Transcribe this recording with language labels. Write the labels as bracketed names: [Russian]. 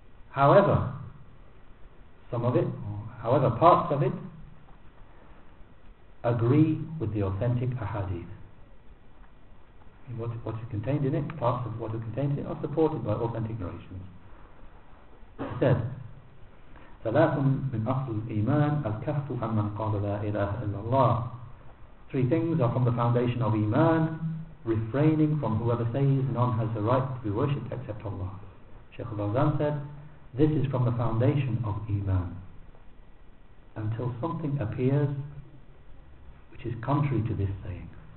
[English] However, some of it, however parts of it, agree with the authentic ahadith. What is contained in it, parts of what is contained in it, are supported by authentic narrations. He said, [Arabic] ثَلَاثٌ مِنْ أَصْلِ الْإِيمَانِ الْكَفْتُ عَمَّنْ قَالَ لَا إِلَهَ إِلَّا اللَّهِ. [English] Three things are from the foundation of Iman, refraining from whoever says none has the right to be worshipped except Allah. Shaykh al-Azam said, this is from the foundation of Iman. Until something appears which is contrary to this saying.